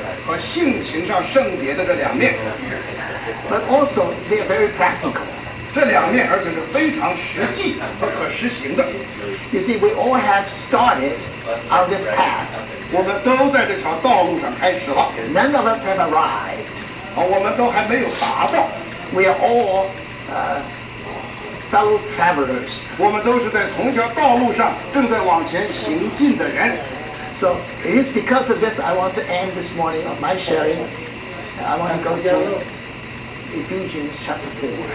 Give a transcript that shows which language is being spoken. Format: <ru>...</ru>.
<zh>圣经不仅启示给我们有圣有地位和性情上圣别的这两面。</zh> <en>But also they are very practical.</en> <zh>这两面而且是非常实际和可实行的。</zh> <en>You see, we all have started on this path.</en> <zh>我们都在这条道路上开始了。</zh> <en>None of us have arrived.</en> <zh>我们都还没有达到。</zh> <en>We are all fellow travelers.</en> <zh>我们都是在同条道路上正在往前行进的人。</zh> <en>So it is because of this I want to end this morning of my sharing. I want to go through Ephesians chapter 4.</en>